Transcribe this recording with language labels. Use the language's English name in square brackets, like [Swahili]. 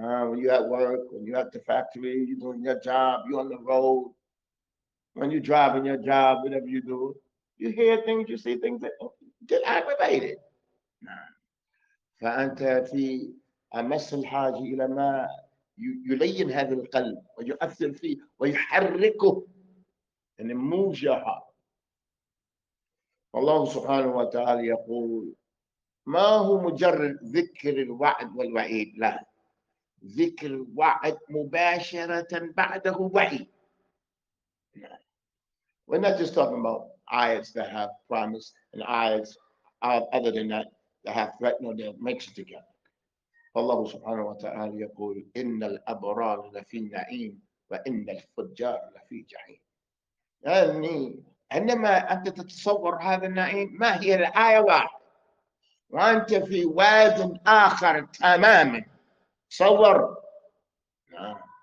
[English] when you at work when you at the factory you doing your job you on the road when you driving your job whatever you do you hear things you see things that get aggravated [Arabic] فأنت في أمس الحاجة إلى ما يلين هذا القلب ويؤثر فيه ويحركه [English] and it moves your heart. [Arabic] والله سبحانه وتعالى يقول ما هو مجرد ذكر الوعد والوعيد لا ذكر الوعد مباشرة بعده وعيد. [English] We're not just talking about ayats that have promise and ayats other than that that have threatened or that makes it together. [Arabic] فالله سبحانه وتعالى يقول إن الأبرار لفي النعيم وإن الفجار لفي جحيم. يعني عندما أنت تتصور هذا النعيم ما هي الآية واحدة وأنت في واد آخر تماما. تصور. نعم.